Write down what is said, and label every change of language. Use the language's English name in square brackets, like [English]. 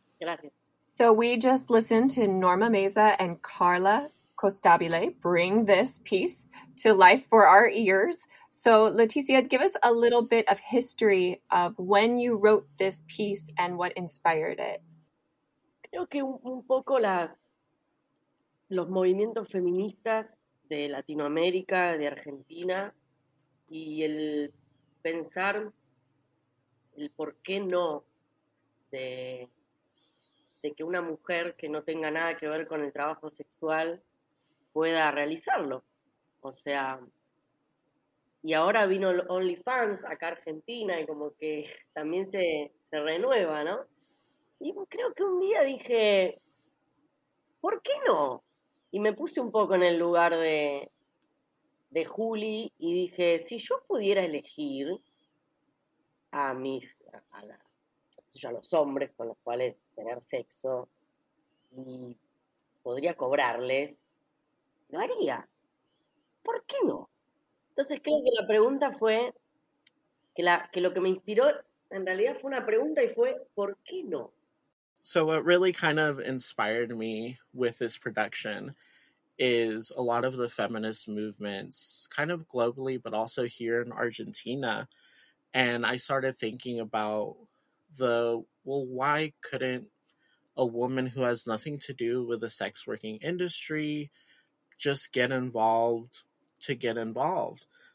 [Spanish] Gracias. [English] So we just listened to Norma Meza and Carla Costabile bring this piece to life for our ears. So Leticia, give us a little bit of history of when you wrote this piece and what inspired it. [Spanish] Creo que un poco los movimientos feministas de Latinoamérica, de Argentina, y el pensar el por qué no de que una mujer que no tenga nada que ver con el trabajo sexual pueda realizarlo. O sea, y ahora vino el OnlyFans acá a Argentina y como que también se renueva, ¿no? Y creo que un día dije, ¿por qué no? Y me puse un poco en el lugar de Juli y dije, si yo pudiera elegir a los hombres con los cuales tener sexo y podría cobrarles, lo haría. ¿Por qué no? Entonces creo que la pregunta fue, que lo que me inspiró en realidad fue una pregunta y fue, ¿por qué no? [English] So what really kind of inspired me with this production is a lot of the feminist movements, kind of globally, but also here in Argentina. And I started thinking about why couldn't a woman who has nothing to do with the sex working industry just get involved to get involved?